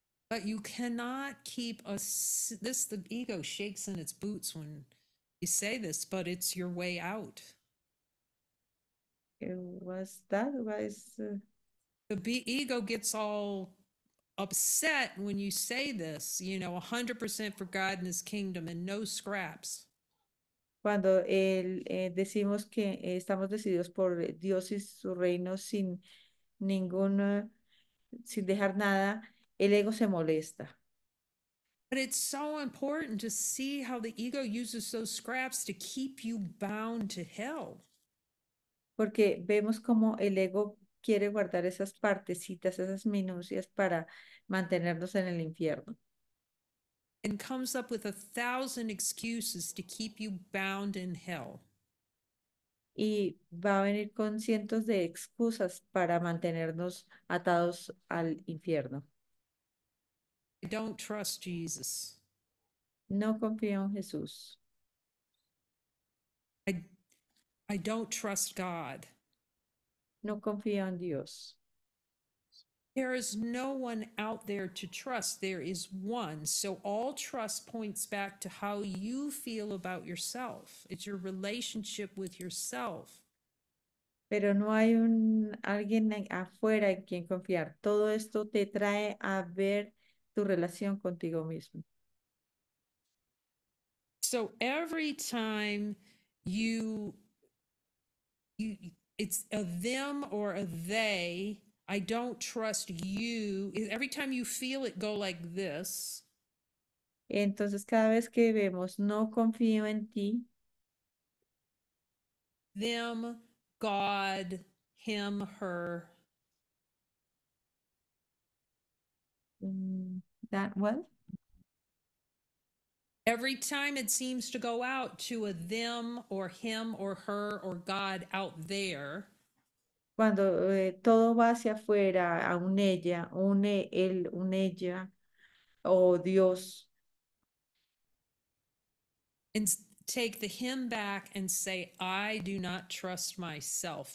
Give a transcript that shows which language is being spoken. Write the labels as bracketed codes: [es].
[en] But you cannot keep this the ego shakes in its boots when you say this, but it's your way out. Was that the ego gets all upset when you say this, you know, 100% for God and his kingdom and no scraps. [es] Cuando decimos que estamos decididos por Dios y su reino sin dejar nada, el ego se molesta. [en] But it's so important to see how the ego uses those scraps to keep you bound to hell. [es] Porque vemos cómo el ego quiere guardar esas partecitas, esas minucias para mantenernos en el infierno. [en] And comes up with 1,000 excuses to keep you bound in hell. [es] Y va a venir con cientos de excusas para mantenernos atados al infierno. [en] I don't trust Jesus. [es] No confío en Jesús. [en] I don't trust God. [es] No confío en Dios. [en] There is no one out there to trust. There is one. So all trust points back to how you feel about yourself. It's your relationship with yourself. [es] Pero no hay alguien afuera en quien confiar. Todo esto te trae a ver tu relación contigo mismo. [en] So every time you it's a them or a they, I don't trust you. Every time you feel it go like this. [es] Entonces, cada vez que vemos, no confío en ti. [en] Them, God, him, her. That what? Every time it seems to go out to a them or him or her or God out there. [es] Cuando todo va hacia afuera, a un ella, un él, un ella, o Dios. [en] And take the him back and say, I do not trust myself.